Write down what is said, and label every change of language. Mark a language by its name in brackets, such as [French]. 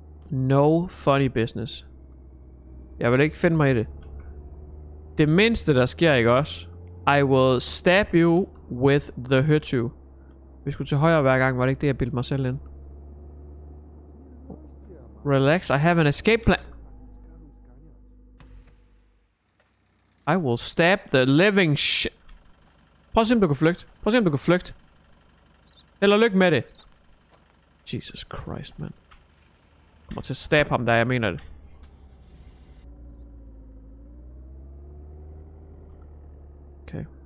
[English] No funny business. [Danish] Jeg vil ikke finde mig i det. Det mindste der sker, ikke også? [English] I will stab you with the høretyv. [Danish] Vi skulle til højre hver gang. Var det ikke det, jeg bildte mig selv ind? [English] Relax, I have an escape plan. I will stab the living shit. [Danish] Prøv at se, om du kan flygte. Prøv at se, om du kan flygte. Eller lykke med det. [English] Jesus Christ, man. [Danish] Jeg kommer til at stab ham der, jeg mener det. Okay.